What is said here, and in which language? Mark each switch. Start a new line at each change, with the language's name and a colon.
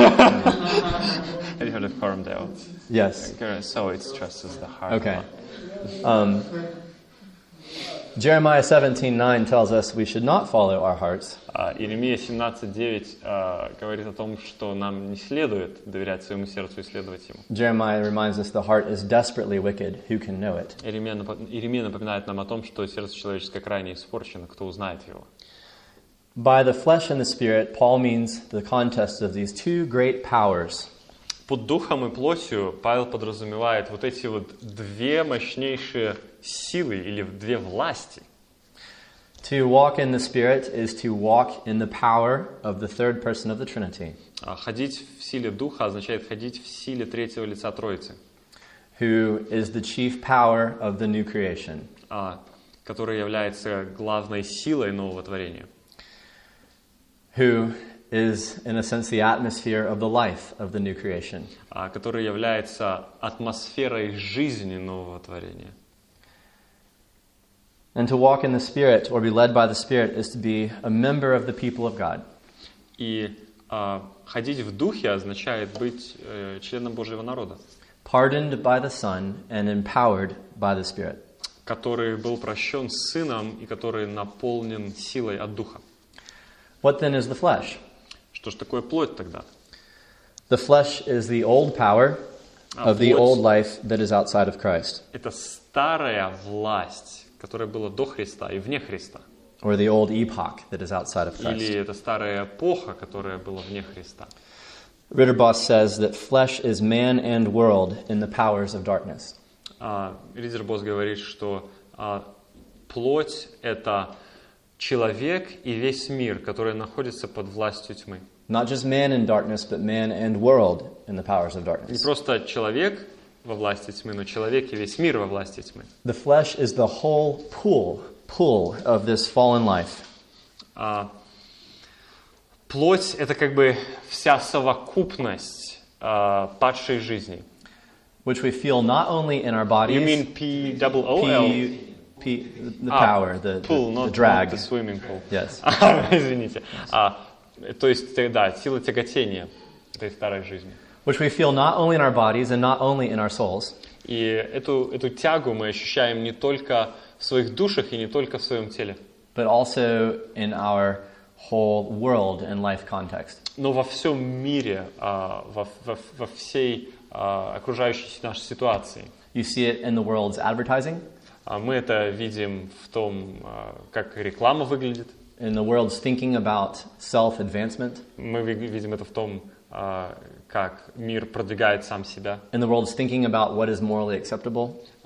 English: Have you heard of Coromdale? Yes. So it stresses the heart. Okay. Jeremiah 17:9 tells us we should not follow our hearts.
Russian: Иеремия 17:9 говорит о том, что нам не следует доверять своему сердцу и следовать ему.
English: Jeremiah reminds us the heart is desperately wicked. Who can know it?
Russian: Иеремия напоминает нам о том, что сердце человеческое крайне испорчено. Кто узнает его?
English: By the flesh and the spirit, Paul means the contest of these two great powers.
Russian: Под духом и плотью Павел подразумевает вот эти вот две мощнейшие силы или две власти.
English: To walk in the spirit is to walk in the power of the third person of the Trinity.
Russian: Ходить в силе духа означает ходить в силе третьего лица Троицы.
English: Who is the chief power of the new creation.
Russian: Который является главной силой нового творения.
English: Who is, in a sense, the atmosphere of the life of the new creation.
Russian: Который является атмосферой жизни нового творения.
English: And to walk in the Spirit or be led by the Spirit is to be a member of the people of God.
Russian: И ходить в духе означает быть членом Божьего народа.
English: Pardoned by the Son and empowered by the Spirit.
Russian: Который был прощен Сыном и который наполнен силой от Духа.
English: What then is the flesh?
Russian: Что ж такое плоть тогда?
English: The flesh is the old power of the old life that is outside of Christ.
Russian: Это старая власть, которая была до Христа и вне Христа.
English: Or the old epoch that is outside of Christ.
Russian: Или это старая эпоха, которая была вне Христа.
English: Ritterboss says that flesh is man and world in the powers of darkness.
Russian: Ritterboss говорит, что плоть это человек и весь мир, который находится под властью тьмы.
English: Not just man in darkness, but man and world in the powers of darkness.
Russian: Не просто человек во власти тьмы, но человек и весь мир во власти тьмы.
English: The flesh is the whole pool of this fallen life.
Russian: Плоть — это как бы вся совокупность падшей жизни.
English: Which we feel not only in our bodies. You mean P-O-O-L? The power, pool, the drag. The swimming pool. Yes.
Russian: Извините. То есть, да, сила тяготения этой старой жизни.
English: Which we feel not only in our bodies and not only in our souls.
Russian: И эту тягу мы ощущаем не только в своих душах и не только в своем теле.
English: But also in our whole world and life context.
Russian: Но во всем мире, во всей окружающей нашей ситуации.
English: You see it in the world's advertising.
Russian: Мы это видим в том, как реклама выглядит.
English: In the world's thinking about self-advancement.
Russian: Мы видим это в том, как мир продвигает сам себя.
English: In the world's thinking about what is morally acceptable.